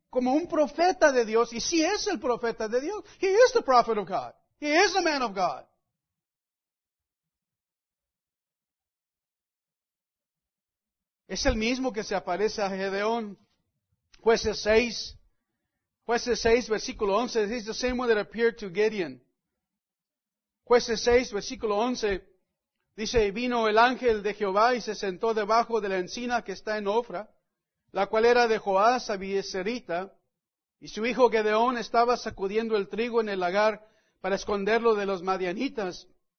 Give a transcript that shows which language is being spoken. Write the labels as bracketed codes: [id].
[es] como un profeta de Dios, y sí es el profeta de Dios. [en] He is the prophet of God. He is a man of God. [es] Es el mismo que se aparece a Gedeón, Jueces 6, versículo 11. [en] He's the same one that appeared to Gideon. [es] Jueces 6, versículo 11. Dice, vino el ángel de Jehová y se sentó debajo de la encina que está en Ofra, la cual era de Joás, abiezerita, y su hijo Gedeón estaba sacudiendo el trigo en el lagar para esconderlo de los madianitas.